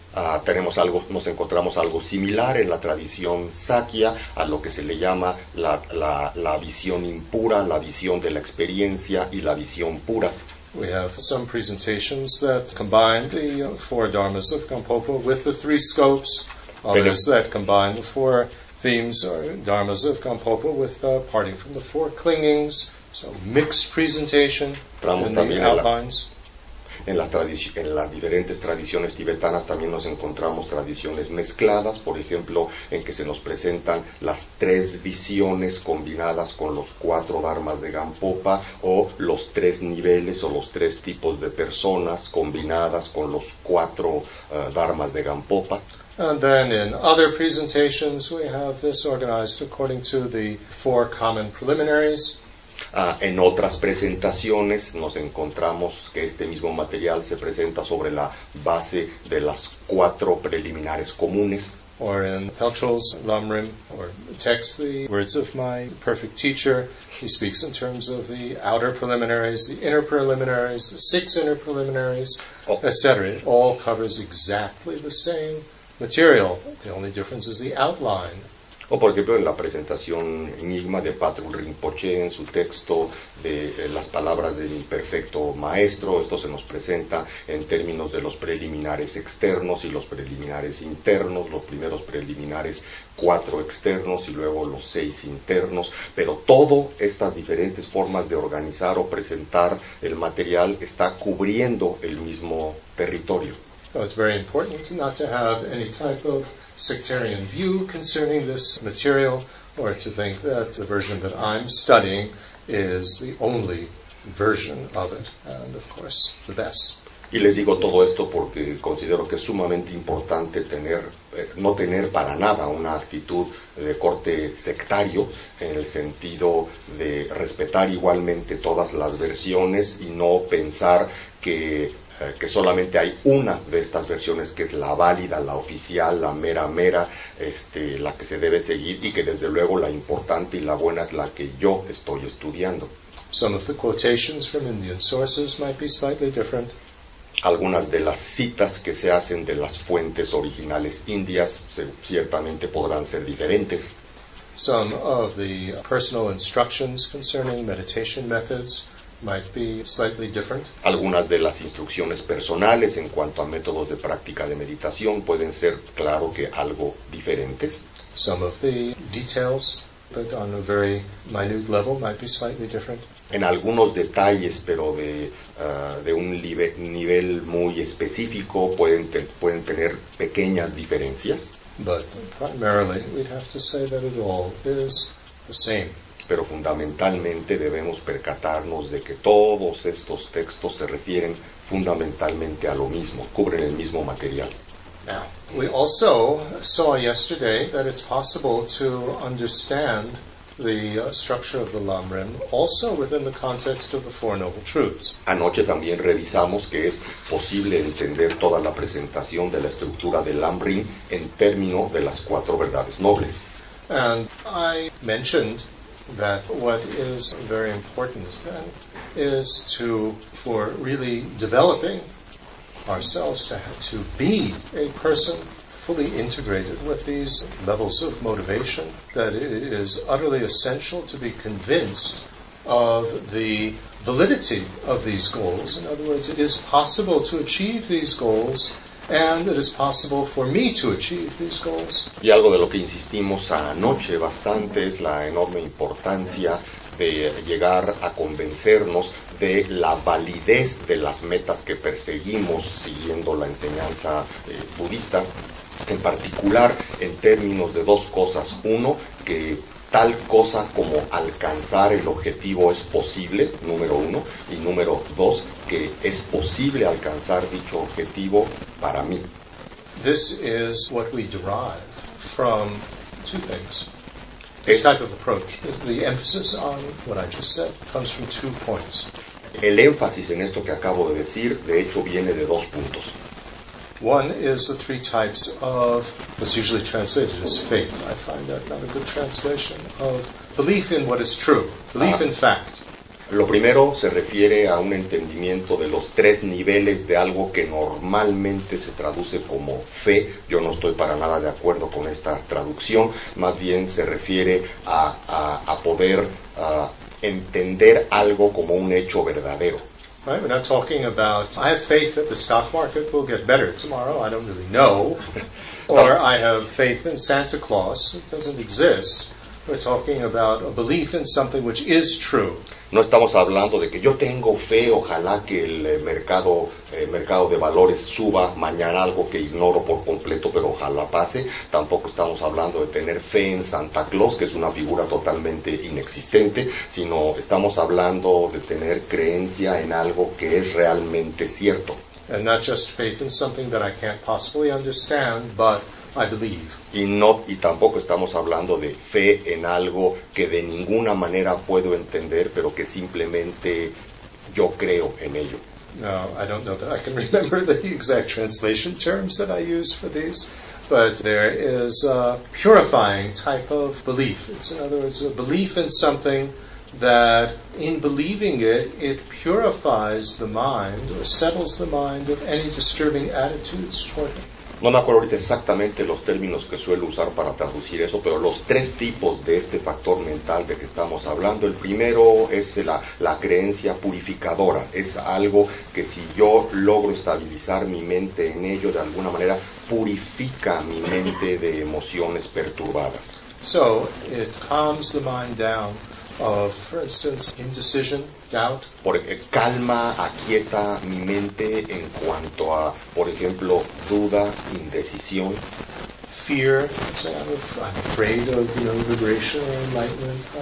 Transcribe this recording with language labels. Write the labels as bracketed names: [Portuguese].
[Spanish] Nos encontramos algo similar en la tradición Sakya a lo que se le llama la visión impura, la visión de la experiencia y la visión pura. [English] We have some presentations that combine the four dharmas of Gampopo with the three scopes, others that combine the four themes or dharmas of Gampopo with parting from the four clingings, so mixed presentation in the outlines. [Spanish] En las diferentes tradiciones tibetanas también nos encontramos tradiciones mezcladas, por ejemplo, en que se nos presentan las tres visiones combinadas con los cuatro dharmas de Gampopa, o los tres niveles o los tres tipos de personas combinadas con los cuatro dharmas de Gampopa. [English] And then in other presentations we have this organized according to the four common preliminaries. [Spanish] En otras presentaciones nos encontramos que este mismo material se presenta sobre la base de las cuatro preliminares comunes. [English] Or in Peltral's lam-rim, or text, the words of my perfect teacher, he speaks in terms of the outer preliminaries, the inner preliminaries, the six inner preliminaries, etc. It all covers exactly the same material. The only difference is the outline. [Spanish] O por ejemplo en la presentación enigma de Patrul Rinpoche, en su texto de las palabras del imperfecto maestro, esto se nos presenta en términos de los preliminares externos y los preliminares internos, los primeros preliminares cuatro externos y luego los seis internos, pero todas estas diferentes formas de organizar o presentar el material está cubriendo el mismo territorio. [English] So it's very important not to have any type of sectarian view concerning this material, or to think that the version that I'm studying is the only version of it, and of course the best. [Spanish] Y les digo todo esto porque considero que es sumamente importante tener, no tener para nada una actitud de corte sectario, en el sentido de respetar igualmente todas las versiones y no pensar que solamente hay una de estas versiones que es la válida, la oficial, la mera mera, la que se debe seguir, y que desde luego la importante y la buena es la que yo estoy estudiando. [English] Some of the quotations from Indian sources might be slightly different. [Spanish] Algunas de las citas que se hacen de las fuentes originales indias ciertamente podrán ser diferentes. [English] Some of the personal instructions concerning meditation methods might be slightly different. [Spanish] Algunas de las instrucciones personales en cuanto a métodos de práctica de meditación pueden ser, claro que, algo diferentes. [English] Some of the details, but on a very minute level, might be slightly different. [Spanish] En algunos detalles, pero de un nivel muy específico, pueden tener pequeñas diferencias. [English] But primarily, we'd have to say that it all is the same. [Spanish] Pero fundamentalmente debemos percatarnos de que todos estos textos se refieren fundamentalmente a lo mismo, cubren el mismo material. [English] Now, we also saw yesterday that it's possible to understand the structure of the lam-rim also within the context of the Four Noble Truths. [Spanish] Anoche también revisamos que es posible entender toda la presentación de la estructura del lam-rim en términos de las cuatro verdades nobles. [English] And I mentioned that what is very important then is to, for really developing ourselves to be a person fully integrated with these levels of motivation, that it is utterly essential to be convinced of the validity of these goals. In other words, it is possible to achieve these goals, and it is possible for me to achieve these goals. [Spanish] Y algo de lo que insistimos anoche bastante es la enorme importancia de llegar a convencernos de la validez de las metas que perseguimos siguiendo la enseñanza budista, en particular en términos de dos cosas. Uno, que tal cosa como alcanzar el objetivo es posible, número uno, y número dos, que es posible alcanzar dicho objetivo para mí. [English] This is what we derive from two things. This type of approach, the emphasis on what I just said, comes from two points. [Spanish] El énfasis en esto que acabo de decir, de hecho, viene de dos puntos. [English] One is the three types of, what's usually translated as faith. I find that not a good translation of belief in what is true, belief in fact. [Spanish] Lo primero se refiere a un entendimiento de los tres niveles de algo que normalmente se traduce como fe. Yo no estoy para nada de acuerdo con esta traducción. Más bien se refiere a poder entender algo como un hecho verdadero. [English] Right? We're not talking about, I have faith that the stock market will get better tomorrow, I don't really know. Or I have faith in Santa Claus, it doesn't exist. We're talking about a belief in something which is true. [Spanish] No estamos hablando de que yo tengo fe, ojalá que el mercado de valores suba mañana, algo que ignoro por completo, pero ojalá pase. Tampoco estamos hablando de tener fe en Santa Claus, que es una figura totalmente inexistente, sino estamos hablando de tener creencia en algo que es realmente cierto. [English] And not just faith in something that I can't possibly understand, but I believe. [Spanish] Y tampoco estamos hablando de fe en algo que de ninguna manera puedo entender, pero que simplemente yo creo en ello. [English] No, I don't know that I can remember the exact translation terms that I use for these, but there is a purifying type of belief. It's, in other words, a belief in something that in believing it, it purifies the mind or settles the mind of any disturbing attitudes toward it. [Spanish] No me acuerdo ahorita exactamente los términos que suelo usar para traducir eso, pero los tres tipos de este factor mental de que estamos hablando, el primero es la creencia purificadora. Es algo que si yo logro estabilizar mi mente en ello, de alguna manera purifica mi mente de emociones perturbadas. [English] So, it calms the mind down of, for instance, indecision, doubt. [Spanish] Porque calma, aquieta mi mente en cuanto a, por ejemplo, duda, indecisión. [English] Fear, say I'm afraid of, you know, liberation or enlightenment.